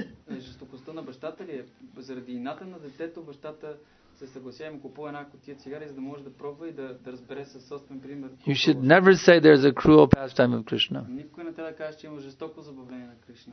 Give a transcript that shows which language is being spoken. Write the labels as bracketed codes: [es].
[bg] Жестокостта на бащата ли е? Заради ината на детето, бащата се съгласява и му купува една кутия цигари, за да може да пробва и да разбере със собствен пример. [en] You should never say there's a cruel pastime of Krishna. [bg] Никой не трябва да каже, че има жестоко забавление на Кришна.